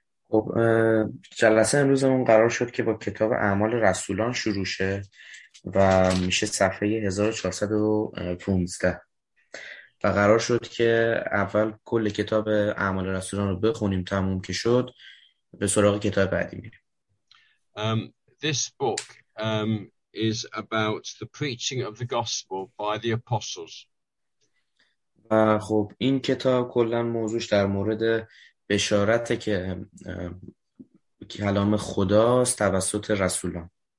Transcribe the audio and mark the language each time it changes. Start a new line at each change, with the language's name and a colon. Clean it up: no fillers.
Persian: خب جلسه امروزمون قرار شد که با کتاب اعمال رسولان شروع شه و میشه صفحه 1415 و قرار شد که اول کل کتاب اعمال رسولان رو بخونیم، تموم که شد به سراغ کتاب بعدی میریم.
English: This book is about the preaching of the gospel by the apostles.
Persian: و خب این کتاب کلن موضوعش در مورد بشارت که کلام خداست توسط رسولان.